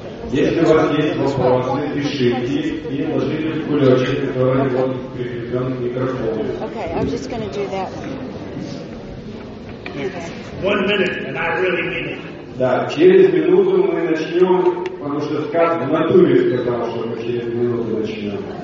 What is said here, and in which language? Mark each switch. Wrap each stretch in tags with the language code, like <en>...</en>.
<ru>Если у вас есть вопросы, пишите и вложите в кулечек, который вот прикреплен к микрофону.</ru> <en>Okay, I'm just going to do that. One minute, and I really mean it.</en> <ru>Да, через минуту мы начнем, потому что сказ в натуре сказал, что мы через минуту начнем.</ru>